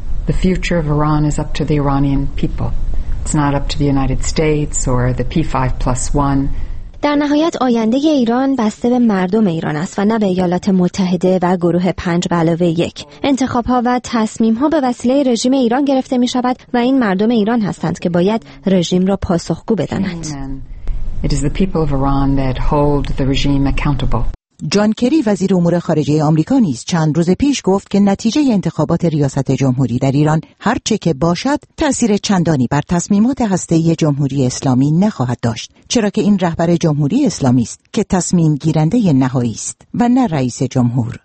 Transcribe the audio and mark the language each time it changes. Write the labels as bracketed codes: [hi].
[en] The future of Iran is up to the Iranian people. It's not up to the United States or the P5+1. [fa] در نهایت آینده ایران بسته به مردم ایران است و نه به ایالات متحده و گروه 5+1. انتخاب‌ها و تصمیم‌ها به وسیله رژیم ایران گرفته می‌شود و این مردم ایران هستند که باید رژیم را پاسخگو بدانند. [en] It is the people of Iran that hold the regime accountable. [fa] جان کری، وزیر امور خارجه آمریکا، نیز چند روز پیش گفت که نتیجه انتخابات ریاست جمهوری در ایران هر چه که باشد تأثیر چندانی بر تصمیمات هسته‌ای جمهوری اسلامی نخواهد داشت، چرا که این رهبر جمهوری اسلامی است که تصمیم گیرنده نهایی است و نه رئیس جمهور.